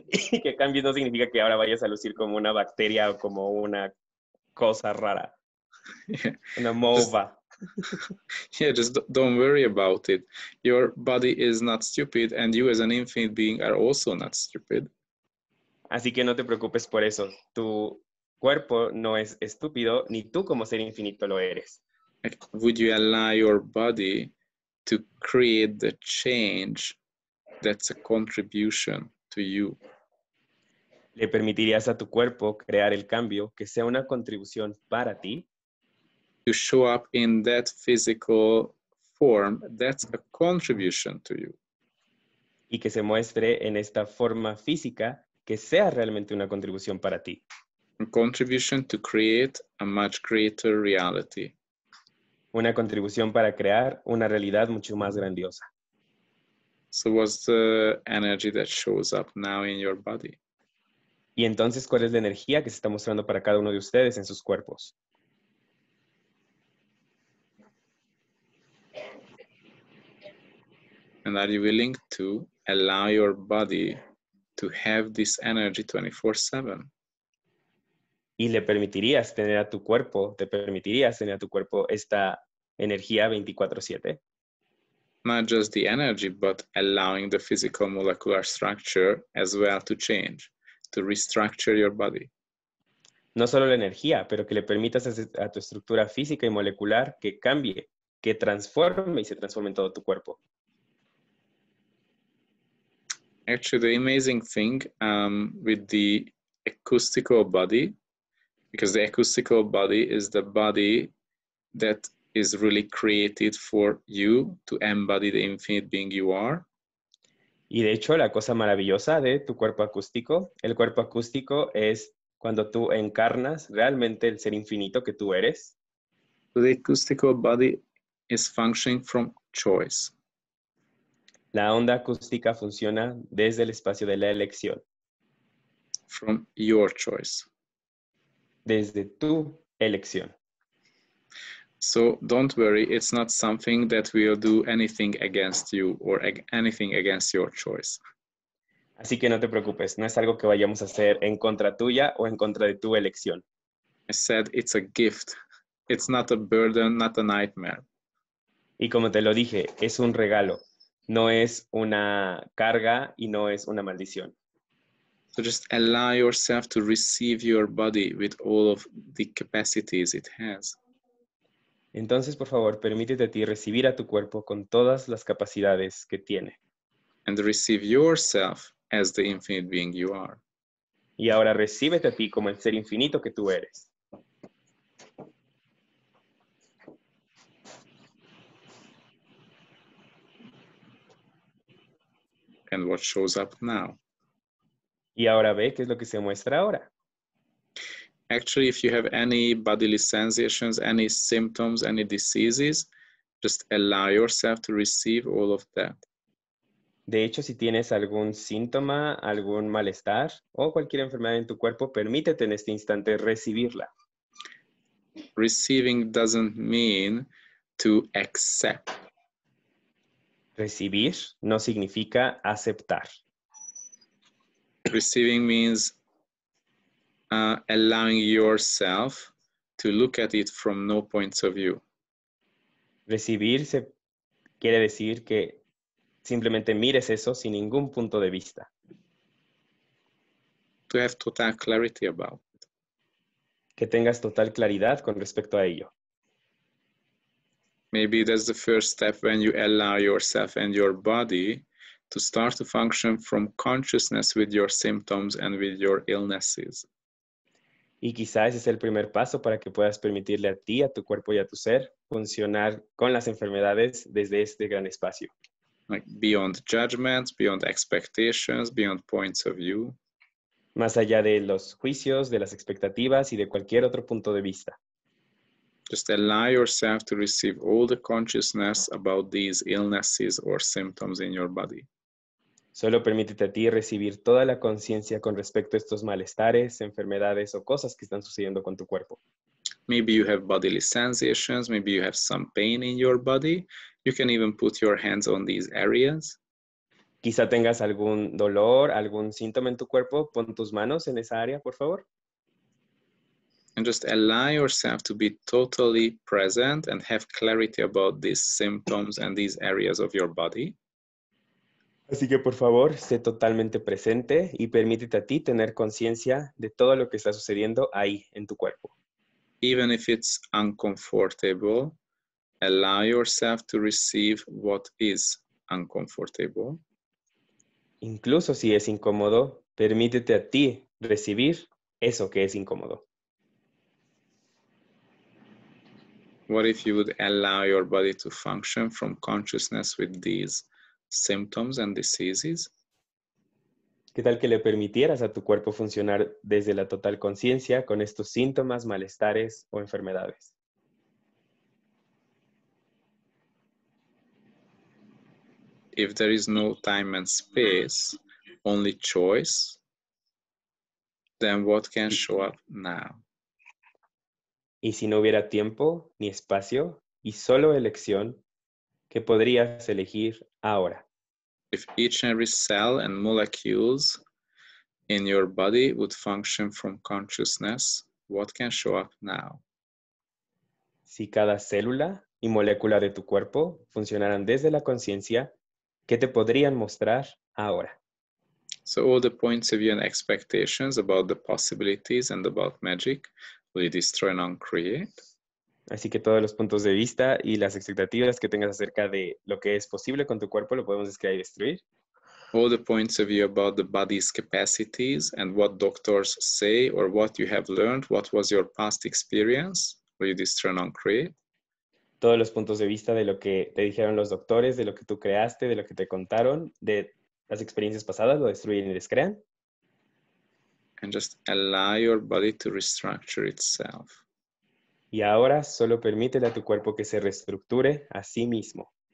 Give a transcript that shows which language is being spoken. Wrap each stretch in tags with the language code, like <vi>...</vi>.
<es>Y que cambio no significa que ahora vayas a lucir como una bacteria o como una cosa rara. Yeah. Una amoeba.</es> <en>Yeah, just don't worry about it. Your body is not stupid and you as an infinite being are also not stupid.</en> <es>Así que no te preocupes por eso. Tu cuerpo no es estúpido ni tú como ser infinito lo eres.</es> <en>Would you allow your body to create the change that's a contribution to you?</en> <es>¿Le permitirías a tu cuerpo crear el cambio que sea una contribución para ti?</es> <en>To show up in that physical form, that's a contribution to you.</en> <es>Y que se muestre en esta forma física que sea realmente una contribución para ti.</es> <en>A contribution to create a much greater reality.</en> <es>Una contribución para crear una realidad mucho más grandiosa.</es> <en>So what's the energy that shows up now in your body?</en> <es>Y entonces, ¿cuál es la energía que se está mostrando para cada uno de ustedes en sus cuerpos?</es> <en>And are you willing to allow your body to have this energy 24/7?</en> <es>¿Y le permitirías tener a tu cuerpo, te permitirías tener a tu cuerpo esta energía 24/7?</es> <en>Not just the energy, but allowing the physical molecular structure as well to change, to restructure your body.</en> <es>No solo la energía, pero que le permitas a tu estructura física y molecular que cambie, que transforme y se transforme en todo tu cuerpo.</es> <en>Actually, the amazing thing with the acoustical body, because the acoustical body is the body that is really created for you to embody the infinite being you are.</en> <es>Y de hecho, la cosa maravillosa de tu cuerpo acústico, el cuerpo acústico es cuando tú encarnas realmente el ser infinito que tú eres.</es> <en>The acoustical body is functioning from choice.</en> <es>La onda acústica funciona desde el espacio de la elección.</es> <en>From your choice.</en> <es>Desde tu elección.</es> <en>So don't worry, it's not something that will do anything against you or anything against your choice.</en> <es>Así que no te preocupes, no es algo que vayamos a hacer en contra tuya o en contra de tu elección.</es> <en>I said it's a gift. It's not a burden, not a nightmare.</en> <es>Y como te lo dije, es un regalo. No es una carga y no es una maldición.</es> <en>So just allow yourself to receive your body with all of the capacities it has.</en> <es>Entonces, por favor, permítete a ti recibir a tu cuerpo con todas las capacidades que tiene.</es> <en>And receive yourself as the infinite being you are.</en> <es>Y ahora recíbete a ti como el ser infinito que tú eres.</es> <en>And what shows up now?</en> <es>Y ahora ve qué es lo que se muestra ahora.</es> <en>Actually, if you have any bodily sensations, any symptoms, any diseases, just allow yourself to receive all of that.</en> <es>De hecho, si tienes algún síntoma, algún malestar o cualquier enfermedad en tu cuerpo, permítete en este instante recibirla.</es> <en>Receiving doesn't mean to accept.</en> <es>Recibir no significa aceptar.</es> <en>Receiving means allowing yourself to look at it from no points of view.</en> <es>Recibir se quiere decir que simplemente mires eso sin ningún punto de vista.</es> <en>To have total clarity about it.</en> <es>Que tengas total claridad con respecto a ello.</es> <en>Maybe that's the first step when you allow yourself and your body to start to function from consciousness with your symptoms and with your illnesses.</en> <es>Y quizás es el primer paso para que puedas permitirle a ti, a tu cuerpo y a tu ser funcionar con las enfermedades desde este gran espacio.</es> <en>Like beyond judgments, beyond expectations, beyond points of view.</en> <es>Más allá de los juicios, de las expectativas y de cualquier otro punto de vista.</es> <en>Just allow yourself to receive all the consciousness about these illnesses or symptoms in your body.</en> <es>Solo permítete a ti recibir toda la conciencia con respecto a estos malestares, enfermedades o cosas que están sucediendo con tu cuerpo.</es> <en>Maybe you have bodily sensations, maybe you have some pain in your body. You can even put your hands on these areas.</en> <es>Quizá tengas algún dolor, algún síntoma en tu cuerpo. Pon tus manos en esa área, por favor.</es> <en>And just allow yourself to be totally present and have clarity about these symptoms and these areas of your body.</en> <es>Así que, por favor, sé totalmente presente y permítete a ti tener conciencia de todo lo que está sucediendo ahí en tu cuerpo.</es> <en>Even if it's uncomfortable, allow yourself to receive what is uncomfortable.</en> <es>Incluso si es incómodo, permítete a ti recibir eso que es incómodo.</es> <en>What if you would allow your body to function from consciousness with these symptoms and diseases?</en> <es>¿Qué tal que le permitieras a tu cuerpo funcionar desde la total conciencia con estos síntomas, malestares o enfermedades?</es> <en>If there is no time and space, only choice, then what can show up now?</en> <es>Y si no hubiera tiempo ni espacio y solo elección, ¿qué podrías elegir ahora?</es> <en>If each and every cell and molecules in your body would function from consciousness, what can show up now?</en> <es>Si cada célula y molécula de tu cuerpo funcionaran desde la conciencia, ¿qué te podrían mostrar ahora?</es> <en>So all the points of view and expectations about the possibilities and about magic, will you destroy and uncreate?</en> <es>Así que todos los puntos de vista y las expectativas que tengas acerca de lo que es posible con tu cuerpo lo podemos descrear y destruir.</es> <en>All the points of view about the body's capacities and what doctors say or what you have learned, what was your past experience, will you destroy and uncreate?</en> <es>Todos los puntos de vista de lo que te dijeron los doctores, de lo que tú creaste, de lo que te contaron, de las experiencias pasadas, lo destruyen y descrean.</es> <en>And just allow your body to restructure itself.</en> <es>Y ahora solo permítele a tu cuerpo que se reestructure a sí mismo.</es>